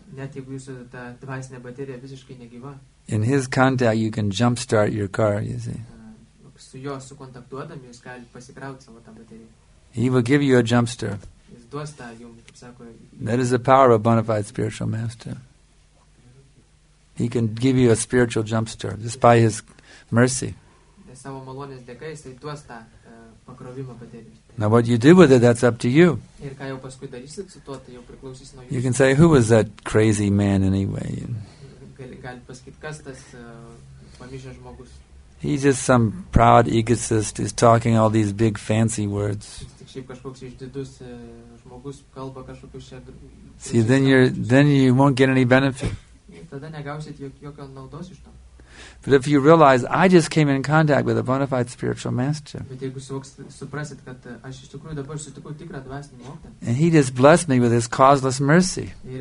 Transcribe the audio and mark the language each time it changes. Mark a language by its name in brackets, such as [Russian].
[Lithuanian] net jeigu jūsų ta dvasinė baterija visiškai negyva. [English] In his contact you can jump start your car, you see. [Lithuanian] Su juo sukontaktuodami jūs galite pasikrauti savo tą bateriją. [English] He will give you a jump start. [Lithuanian] Jis duos tą jums, kaip sako. [English] That is the power of a bona fide spiritual master. He can give you a spiritual jump start just by his mercy. [Lithuanian] Savo malonės dėka jisai duos tą pakrovimą bateriją. [English] Now what you do with it, that's up to you. [Lithuanian] Ir ką jau paskui darysit su tuo, tai jau priklausys nuo jūsų. [English] You can say, who was that crazy man anyway? [Lithuanian] Gali pasakyti, kas tas pamišęs žmogus. [English] He's just some proud egotist, he's talking all these big fancy words. [Lithuanian] Tik šiaip kažkoks išdidus žmogus kalba kažkokius čia. [English] See, then you won't get any benefit. [Lithuanian] Tada negausit jokio naudos iš to. [English] But if you realize, I just came in contact with a bona fide spiritual master. And he just blessed me with his causeless mercy.